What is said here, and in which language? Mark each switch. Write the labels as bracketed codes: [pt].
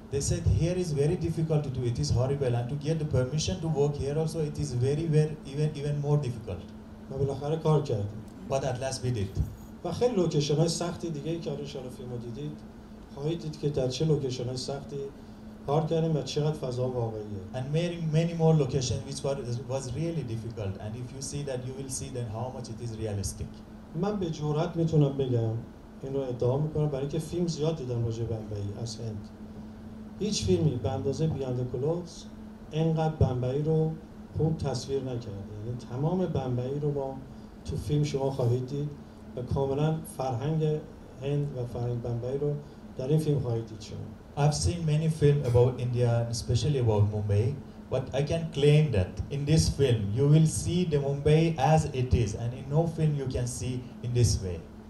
[en] They said here is very difficult to do. It is horrible and to get the permission to work here also it is very even more difficult. [fa] ما بالاخره کار کردیم. [en] But at last we did. [fa] و خیلی لوکیشن‌های سختی دیگه که آرش شرف فیلمو دیدید خواهید دید که در چه لوکیشن‌های سختی کار کردیم و چقدر فضا واقعیه. [en] And many more locations which was really difficult and if you see that you will see then how much it is realistic. [fa] من به جرات میتونم بگم اینو ادعا میکنم برای اینکه فیلم زیاد دیدم راجع به بمبئی از هند هیچ فیلمی به اندازه بیاند کلوز اینقدر بمبئی رو خوب تصویر نکرده یعنی تمام بمبئی رو با تو فیلم شما خواهید دید و کاملا فرهنگ هند و فرهنگ بمبئی رو در این فیلم خواهید دید شما [en] I've seen many films about India and especially about Mumbai But I can claim that in this film, you will see the Mumbai as it is, and in no film you can see in this way.